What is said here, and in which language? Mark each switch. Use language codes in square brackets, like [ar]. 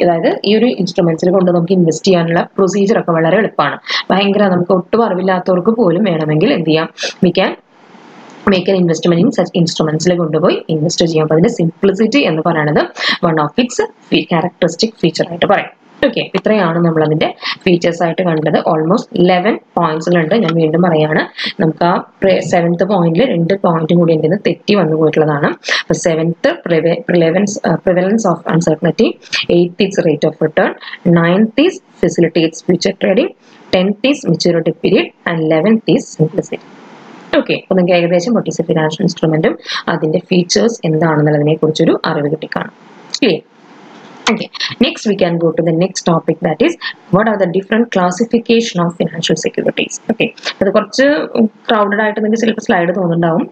[ml] അതായത് ഈ ഒരു ഇൻസ്ട്രുമെന്റ്സിൽ കൊണ്ട് നമുക്ക് ഇൻവെസ്റ്റ് ചെയ്യാനുള്ള പ്രൊസീജിയർ ഒക്കെ വളരെ എളുപ്പമാണ്, ഭയങ്കര നമുക്ക് ഒട്ടും അറിവില്ലാത്തവർക്ക് പോലും വേണമെങ്കിൽ എന്ത് ചെയ്യാം, [en] make an investment in such [ml] ഇൻസ്ട്രുമെന്റ്സിൽ കൊണ്ടുപോയി ഇൻവെസ്റ്റ് ചെയ്യാം. അപ്പൊ അതിന്റെ സിംപ്ലിസിറ്റി എന്ന് പറയുന്നത് [en] one of its characteristic feature [ml] ആയിട്ട് പറയാം. ഓക്കെ ഇത്രയാണ് നമ്മൾ അതിൻ്റെ ഫീച്ചേഴ്സ് ആയിട്ട് കണ്ടത്. ഓൾമോസ്റ്റ് 11 പോയിന്റ്സിലുണ്ട്. ഞാൻ വീണ്ടും പറയുകയാണ്, നമുക്ക് ആ 7th പോയിന്റിൽ 2 പോയിന്റും കൂടി എൻ്റെ തെറ്റി വന്നു പോയിട്ടുള്ളതാണ്. [en] അപ്പോൾ 7th prevalence of uncertainty, 8th is rate of return, 9th is facilitates future trading, 10th is maturity period, and 11th is simplicity. [ml] Okay, അപ്പോൾ നിങ്ങൾക്ക് ഏകദേശം [en] what is a financial ഇൻസ്ട്രുമെൻറ്റും [ml] അതിൻ്റെ ഫീച്ചേഴ്സ് എന്താണെന്നുള്ളതിനെ കുറിച്ചൊരു അറിവ് കിട്ടി കാണും. Clear? [en] Okay, next we can go to the next topic, that is what are the different classification of financial securities. [ml] Okay, അത് കുറച്ച് ക്രൗഡഡ് ആയിട്ട് നിങ്ങൾക്ക് ചിലപ്പോൾ സ്ലൈഡ് തോന്നുന്നുണ്ടാവും.